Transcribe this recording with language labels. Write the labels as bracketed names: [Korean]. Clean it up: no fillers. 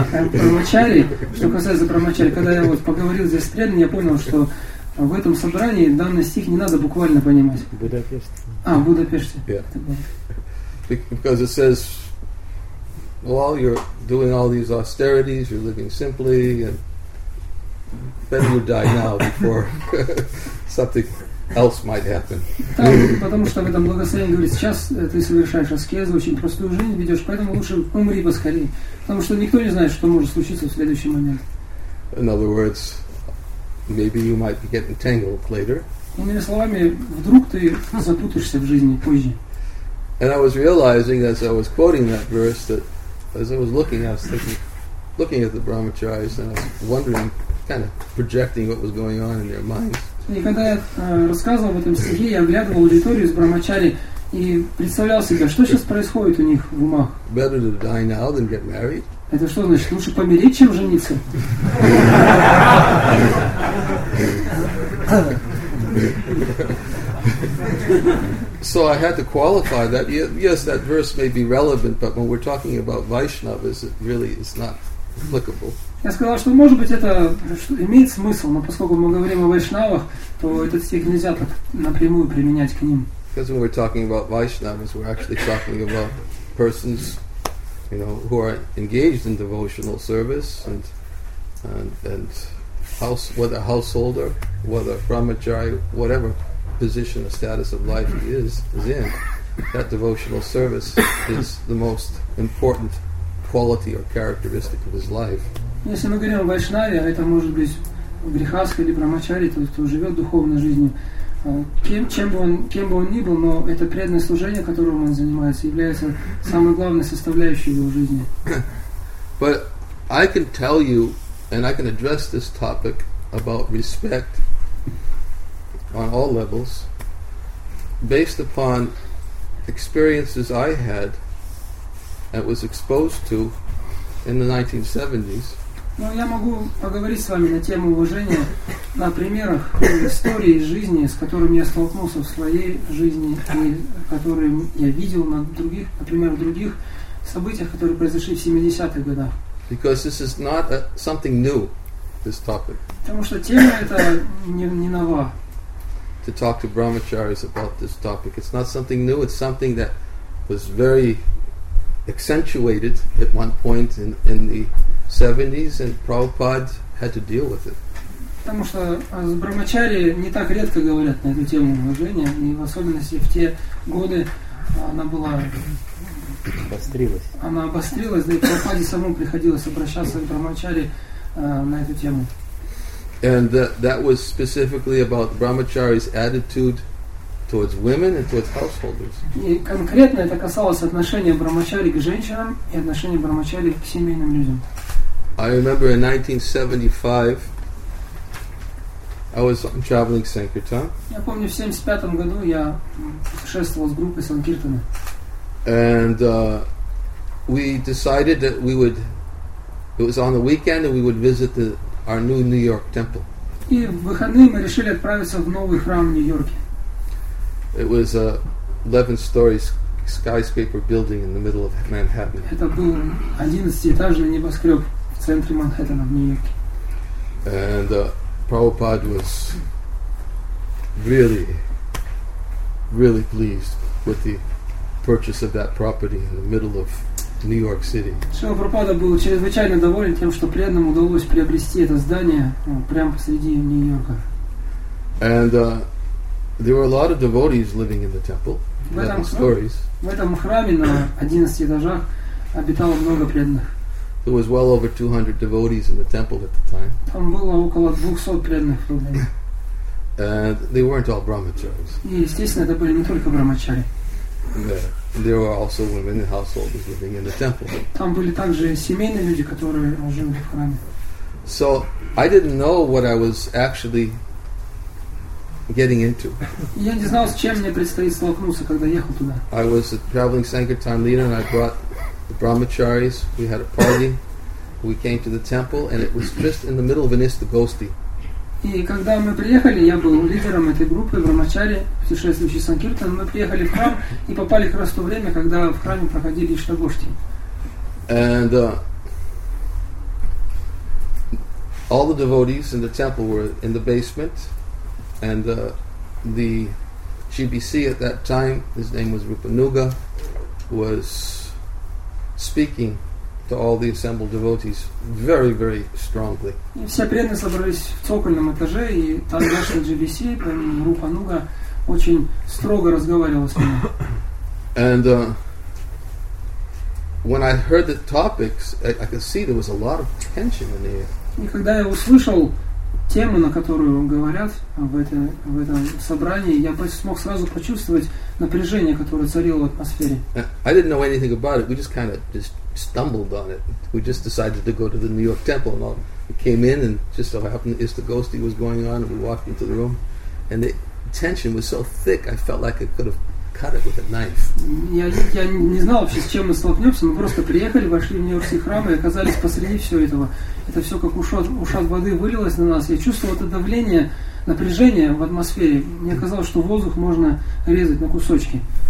[Russian] Брахмачари, что касается брахмачари, когда я вот поговорил здесь с преданными, я понял, что в этом собрании данный стих не надо буквально понимать. Будапешт. А, в Будапеште. [English] Yeah. Because it says, well, you're doing all these austerities, you're living simply, and better you die now before something else might happen. [Russian] Так, потому что в этом благословении говорит, сейчас ты совершаешь аскезу, очень простую жизнь ведешь, поэтому лучше умри поскорее. Потому что никто не знает, что может случиться в следующий момент. [English] In other words, maybe you might be getting tangled later. [Russian] Иными словами, вдруг ты запутаешься в жизни позже. [English] And I was realizing as I was quoting that verse that as I was looking, I was thinking, looking at the brahmacharis and I was wondering, kind of projecting what was going on in their minds. [Russian] И когда я рассказывал об этом стихе, я оглядывал аудиторию из Брамачари и представлял себе, что сейчас происходит у них в умах. [English] Better to die now than get married? [Russian] Это что значит? Лучше помереть, чем жениться? [English] So I had to qualify that. Yes, that verse may be relevant, but when we're talking about Vaishnavas, it really is not applicable. [Russian] Я сказал, что может быть это имеет смысл, но поскольку мы говорим о вайшнавах, то этот стих нельзя так напрямую применять к ним. [English] Because when we're talking about Vaishnavas, we're actually talking about persons, you know, who are engaged in devotional service and house, whether householder, whether brahmachari, whatever position or status of life he is in, that devotional service is the most important quality or characteristic of his life. [Russian] Если мы говорим о вайшнаве, а это может быть грехаска или брамачари, то есть кто живет духовной жизнью, кем бы он ни был, но это преданное служение, которым он занимается, является самой главной составляющей его жизни. [English] But I can tell you, and I can address this topic about respect on all levels, based upon experiences I had and was exposed to in the 1970s. [Russian] Ну, я могу поговорить с вами на тему уважения, на примерах истории жизни, с которыми я столкнулся в своей жизни и которые я видел на других, например, в других событиях, которые произошли в 70-х годах. [English] Because this is not something new, this topic. [Russian] Потому что тема эта не нова. [English] To talk to brahmacharis about this topic. It's not something new, it's something that was very accentuated at one point in the 70s, and Prabhupada had to deal with it. [Russian] Потому что с брахмачари не так редко говорят на эту тему уважения, и в особенности в те годы она была... Обострилась. Она обострилась, да и Прабхупаде самому приходилось обращаться к брахмачари на эту тему. [English] And that was specifically about brahmachari's attitude towards women and towards householders. [Russian] И конкретно это касалось отношения брахмачари к женщинам и отношения брахмачари к семейным людям. [English] I remember in 1975, I was traveling Sankirtan. [Russian] Я помню, в 75-м году я путешествовал с группой Санкиртана. [English] And we decided that we would, it was on the weekend, and we would visit our new New York temple. [Russian] И в выходные мы решили отправиться в новый храм в Нью-Йорке. [English] It was a 11-story skyscraper building in the middle of Manhattan. [Russian] Это был 11-этажный небоскреб. Центре Манхэттена в Нью-Йорке. [English] And Prabhupada was really, really pleased with the purchase of that property in the middle of New York City. [Russian] Шрила Прабхупада был чрезвычайно доволен тем, что преданным удалось приобрести это здание прямо посреди Нью-Йорка. [English] And there were a lot of devotees living in the temple. [Russian] В этом храме на 11 этажах обитало много преданных. [English] There was well over 200 devotees in the temple at the time. [Russian] Там было около 200 преданных людей. [English] And they weren't all brahmacharis. [Russian] И, естественно, это были не только брахмачари. [English] There were also women and householders living in the temple. [Russian] Там были также семейные люди, которые жили в храме. [English] So I didn't know what I was actually getting into. [Russian] Я не знал, с чем мне предстоит столкнуться, когда ехал туда. [English] I was a traveling Sankirtan leader, and I brought the brahmacharis, we had a party, we came to the temple, and it was just in the middle of an istagosti. [Russian] И когда мы приехали, я был лидером этой группы, брахмачари, путешествующий Санкиртан, мы приехали в храм и попали как раз в то время, когда в храме проходили истагошти. [English] And all the devotees in the temple were in the basement, and the GBC at that time, his name was Rupanuga, was speaking to all the assembled devotees very, very strongly. [Russian] И все преданные собрались в цокольном этаже, и там наш GBC, по имени Рупануга, очень строго разговаривал с ними. [English] And when I heard the topics, I could see there was a lot of tension in the air. [Russian] И когда я услышал тему, на которую говорят в этом собрании, я смог сразу почувствовать напряжение, которое царило в атмосфере. [English] I didn't know anything about it. We just kind of just stumbled on it. We just decided to go to the New York temple, and all. We came in, and just so happened, the istagosti was going on, and we walked into the room. and the tension was so thick, I felt like I could have cut it with a knife. [Russian] Я не знал вообще, с чем мы столкнемся. Мы просто приехали, вошли в Нью-Йоркский храм и оказались посреди всего этого. Это все как ушат воды вылилось на нас. Я чувствовал это давление, напряжение в атмосфере. Мне казалось, что воздух можно резать на кусочки.